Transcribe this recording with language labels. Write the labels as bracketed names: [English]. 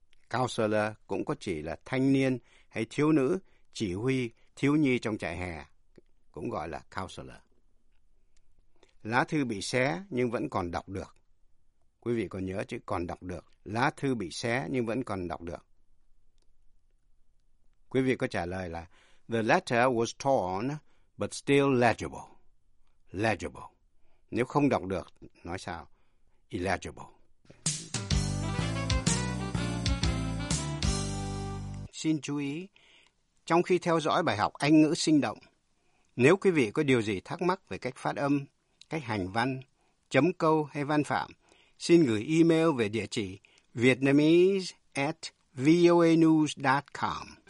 [Vietnamese] Counselor cũng có chỉ là thanh niên hay thiếu nữ chỉ huy thiếu nhi trong trại hè, cũng gọi là counselor. Lá thư bị xé nhưng vẫn còn đọc được. Quý vị còn nhớ chữ còn đọc được. Lá thư bị xé nhưng vẫn còn đọc được. Quý vị có trả lời là [English] the letter was torn but still legible. Legible. [Vietnamese] Nếu không đọc được, nói sao? Illegible. Xin chú ý, trong khi theo dõi bài học Anh ngữ sinh động, nếu quý vị có điều gì thắc mắc về cách phát âm, cách hành văn, chấm câu hay văn phạm, xin gửi email về địa chỉ vietnamese@voanews.com.